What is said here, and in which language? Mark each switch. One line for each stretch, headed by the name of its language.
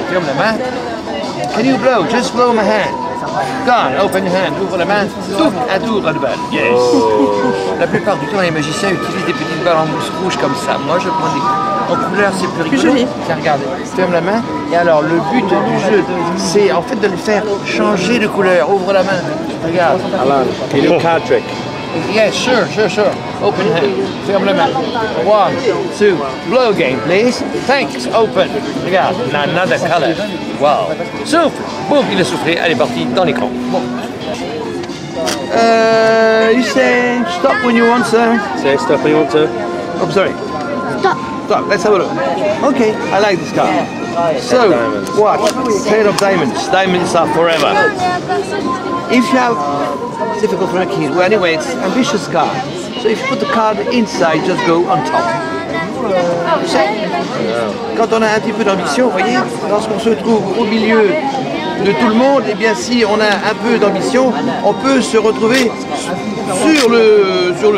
French: Ferme la main.
English: Can you blow? Just blow my hand. Come, open your hand.
French: Ouvre la main. Tout un tour à deux balles.
English: Yes.
French: La plupart du temps, les magiciens utilisent des petites balles en mousse rouge comme ça. Moi, je prends des... En couleur, c'est plus rigolo. Tiens, regardez. Ferme la main. Et alors, le but du jeu, c'est en fait de le faire changer de couleur. Ouvre la main. Regarde.
English: Alain, can you card trick? Yes, sure. Open hand.
French: Ferme la main.
English: One, two, blow again, please. Thanks, open.
French: Regarde,
English: another color. Wow.
French: Souffle. Boum, il a soufflé. Elle est partie dans l'écran. Bon.
English: You say stop when you want, sir. Say stop when you want, sir. Oh, sorry. Stop, let's have a look. Okay. I like this card. Yeah. So, what? Pair of diamonds. Diamonds are forever. If you have... It's difficult for a kid. Well, anyway, it's an ambitious card. So if you put the card inside, just go on top.
French: Quand on a un petit peu d'ambition, vous voyez, lorsqu'on se trouve au milieu de tout le monde, eh bien, si on a un peu d'ambition, on peut se retrouver sur le